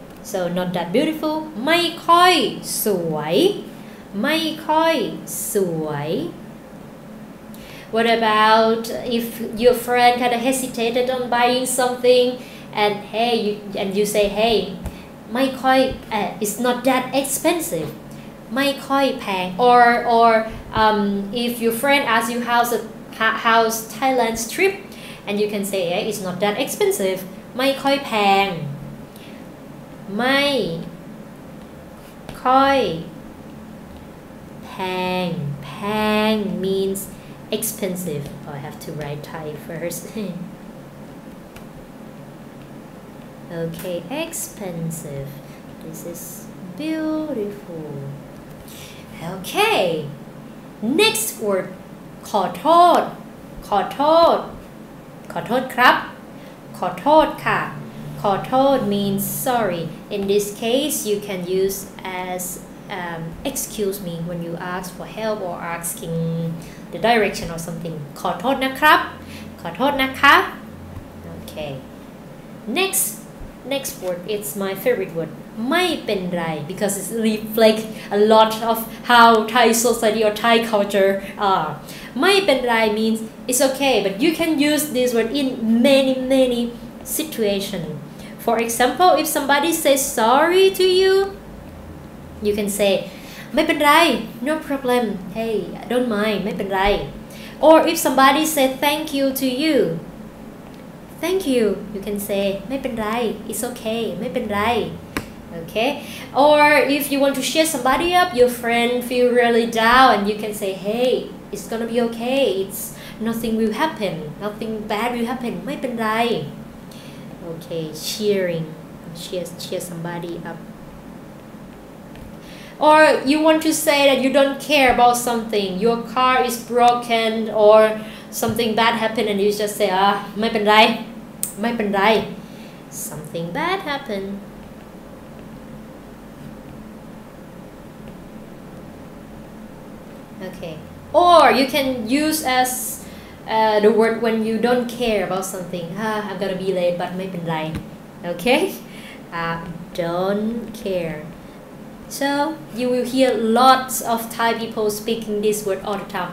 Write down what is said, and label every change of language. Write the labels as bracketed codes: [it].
[en] So, not that beautiful, [th] ไม่ค่อยสวย, ไม่ค่อยสวย. [en] What about if your friend kind of hesitated on buying something? And hey, you say hey, [th] ไม่ค่อย [en] it's not that expensive, [th] ไม่ค่อยแพง [en] or if your friend asks you how's Thailand's trip, and you can say hey, it's not that expensive, [th] ไม่ค่อยแพง, ไม่ค่อยแพง, แพง [en] means expensive. Oh, I have to write Thai first. Okay, expensive. This is beautiful. Okay. Next word, [th] ขอโทษ ขอโทษ ขอโทษครับ ขอโทษค่ะ ขอโทษ [en] means sorry. In this case, you can use as excuse me when you ask for help or asking the direction or something. [th] ขอโทษนะครับ ขอโทษนะคะ Okay. [en] Next word, it's my favorite word. [th] ไม่เป็นไร [en] because it reflects a lot of how Thai society or Thai culture are. [th] ไม่เป็นไร [en] means it's okay, but you can use this word in many, many situations. For example, if somebody says sorry to you, you can say, [th] ไม่เป็นไร [en] no problem. Hey, don't mind, [th] ไม่เป็นไร. [en] Or if somebody says thank you to you,Thank you. You can say, [th] ไม่เป็นไร [en] It's okay. [th] ไม่เป็นไร Okay. [en] Or if you want to cheer somebody up, your friend feel really down, and you can say, Hey, it's gonna be okay. It's nothing will happen. Nothing bad will happen. [th] ไม่เป็นไร [en] Okay. Cheering. Cheer somebody up. Or you want to say that you don't care about something. Your car is broken or something bad happened, and you just say, [th] ไม่เป็นไรไม่เป็นไร [en] Something bad happened. Okay. Or you can use as the word when you don't care about something. I'm gonna be late, but [th] ไม่เป็นไร [en] Okay. Don't care. So you will hear lots of Thai people speaking this word all the time.